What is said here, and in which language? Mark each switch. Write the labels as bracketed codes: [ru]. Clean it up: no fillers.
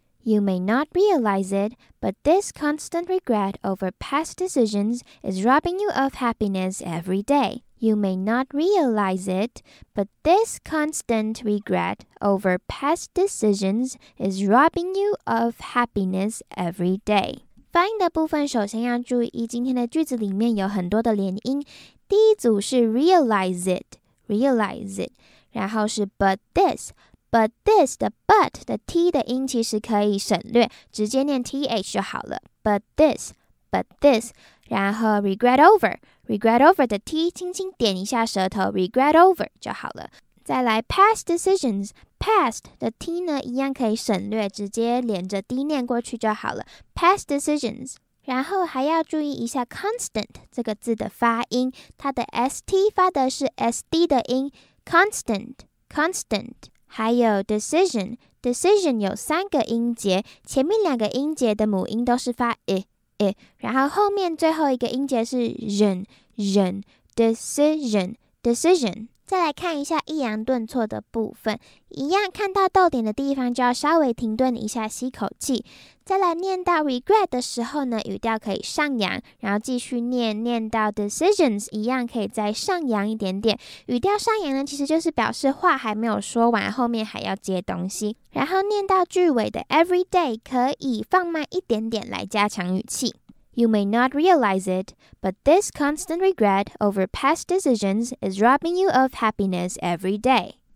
[en] You may not realize it, but this constant regret over past decisions is robbing you of happiness every day. You may not realize it, but this constant regret over past decisions is robbing you of happiness every day. [zh] 发音的部分首先要注意，今天的句子里面有很多的连音。第一组是 [en] realize it， [zh] 然后是 [en] but this [zh] 的 but 的 t 的音其实可以省略，直接念 th 就好了。 [en] But this， [zh] 然后 [en] regret over [zh] 的 t 轻轻点一下舌头 ，regret over 就好了。再来 [en] past decisions， [zh] past 的 t 呢一样可以省略，直接连着 d 念过去就好了。 [en] past decisions， [zh] 然后还要注意一下 constant 这个字的发音，它的 st 发的是 sd 的音 ，constant。还有 decision 有三个音节，前面两个音节的母音都是发 i， 然后后面最后一个音节是 decision。再来看一下抑扬顿挫的部分，一样看到逗点的地方就要稍微停顿一下，吸口气。再来念到 regret 的时候呢，语调可以上扬，然后继续念，念到 decisions 一样可以再上扬一点点。语调上扬呢，其实就是表示话还没有说完，后面还要接东西。然后念到句尾的 [en] every day [zh] 可以放慢一点点来加强语气。 [en] You may not realize it, but this constant regret over past decisions is robbing you of happiness every day.